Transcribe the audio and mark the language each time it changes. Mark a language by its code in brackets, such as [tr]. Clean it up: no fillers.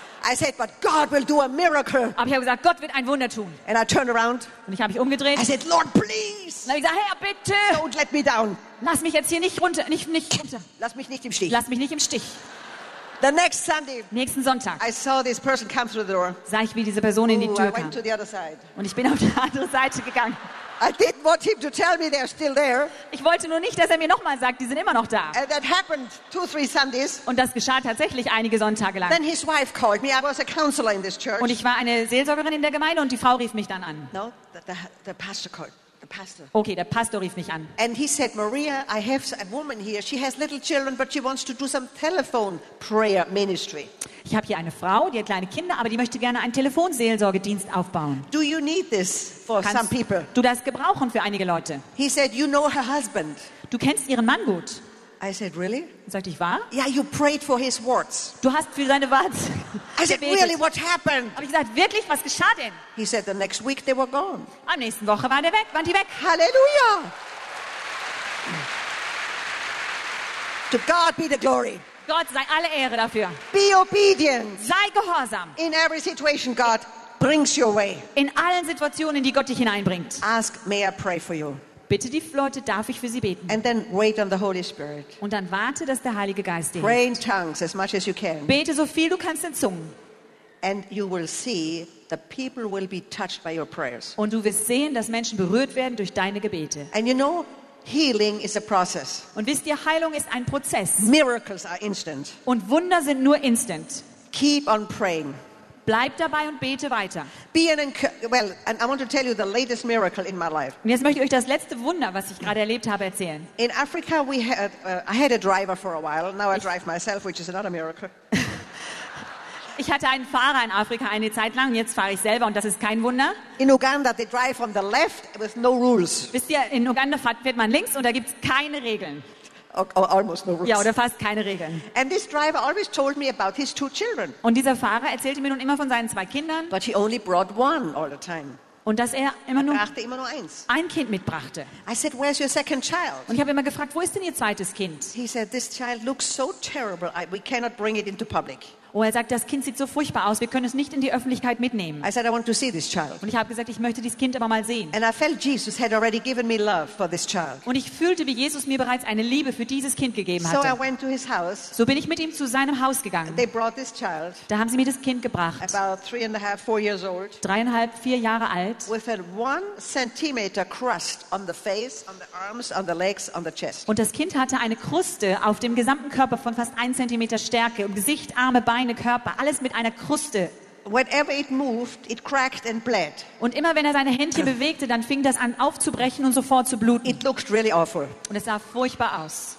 [en] I said, but God will do a miracle. [de] Aber ich habe gesagt, Gott wird ein Wunder tun. [en] And I turned around. [de] Und ich habe mich umgedreht. [en] I said, Lord, please. [de] Und ich sagte, Herr, bitte. [en] Don't let me down. [de] Lass mich jetzt hier nicht runter. Nicht runter. Lass mich nicht im Stich. Lass mich nicht im Stich. [en] The next Sunday, [de] nächsten Sonntag, [en] I saw this person come through the door. [de] Sah ich, wie diese Person in die Tür [en] I went [de] kam. [en] To the other side. [de] Und ich bin auf die andere Seite gegangen. [en] I didn't want him to tell me they're still there. [de] Ich wollte nur nicht, dass er mir nochmal sagt, die sind immer noch da. [en] And that happened 2-3 Sundays. [de] Und das geschah tatsächlich einige Sonntage lang. [en] Then his wife called me. I was a counselor in this church. [de] Und ich war eine Seelsorgerin in der Gemeinde und die Frau rief mich dann an. [en] No, the pastor called. The pastor. [de] Okay, der Pastor rief mich an. [en] And he said, Maria, I have a woman here. She has little children, but she wants to do some telephone prayer ministry. [de] Ich habe hier eine Frau, die hat kleine Kinder, aber die möchte gerne einen Telefonseelsorgedienst aufbauen. [en] Do you need this for [de] Kannst [en] some people? [de] Du das gebrauchen für einige Leute? [en] He said, you know her husband. [de] Du kennst ihren Mann gut. [en] I said, really? [de] Sagte ich, wahr? [en] Yeah, you prayed for his warts. [de] Du hast für seine Warts [en] I said, really, what happened? [de] Habe ich gesagt, wirklich, was geschah denn? [en] He said, the next week they were gone. [de] Am nächsten Woche waren die weg. Halleluja! [en] To God be the glory. [de] Gott sei alle Ehre dafür. [en] Be obedient. [de] Sei gehorsam. [en] In every situation God brings you away. [de] In allen Situationen, die Gott dich hineinbringt. [en] Ask, may I pray for you? [de] Bitte die Leute, darf ich für sie beten? [en] And then wait on the Holy Spirit. [de] Und dann warte, dass der Heilige Geist dir. [en] Pray in tongues as much as you can. [de] Bete so viel du kannst in Zungen. [en] And you will see the people will be touched by your prayers. [de] Und du wirst sehen, dass Menschen berührt werden durch deine Gebete. [en] And you know, healing is a process. [de] Und wisst ihr, Heilung ist ein Prozess. [en] Miracles are instant. [de] Und Wunder sind nur instant. [en] Keep on praying. [de] Bleib dabei und bete weiter. [en] And I want to tell you the latest miracle in my life. [de] Und jetzt möchte ich euch das letzte Wunder, was ich gerade erlebt habe, erzählen. [en] In Africa we had I had a driver for a while. Now I drive myself, which is another miracle. [de] Ich hatte einen Fahrer in Afrika eine Zeit lang. Jetzt fahre ich selber und das ist kein Wunder. [en] In Uganda they drive on the left with no rules. [de] Wisst ihr, in Uganda fährt man links und da gibt es keine Regeln. [en] Almost no rules. [de] Ja, oder fast keine Regeln. [en] And this driver always told me about his two children. [de] Und dieser Fahrer erzählte mir nun immer von seinen zwei Kindern. [en] But he only brought one all the time. [de] Und dass er immer nur, eins. Ein Kind mitbrachte. [en] I said, where's your second child? [de] Und ich habe immer gefragt, wo ist denn ihr zweites Kind? [en] He said, this child looks so terrible, we cannot bring it into public. [de] Oh, er sagt, das Kind sieht so furchtbar aus, wir können es nicht in die Öffentlichkeit mitnehmen. [en] I said, I want to see this child. [de] Und ich habe gesagt, ich möchte dieses Kind aber mal sehen. [en] And I felt Jesus had already given me love for this child. [de] Und ich fühlte, wie Jesus mir bereits eine Liebe für dieses Kind gegeben hatte. [en] So I went to his house. [de] So bin ich mit ihm zu seinem Haus gegangen. [en] They brought this child. [de] Da haben sie mir das Kind gebracht. [en] About 3.5-4 years old. [de] 3.5-4 Jahre alt. [en] With a 1 centimeter crust on the face, on the arms, on the legs, on the chest. [de] Und das Kind hatte eine Kruste auf dem gesamten Körper von fast 1 Zentimeter Stärke, im Gesicht, Arme, Beine, Körper, alles mit einer Kruste. [en] Whatever it moved, it cracked and bled. [de] Und immer wenn er seine Händchen bewegte, dann fing das an aufzubrechen und sofort zu bluten. [en] It looked really awful. [de] Und es sah furchtbar aus.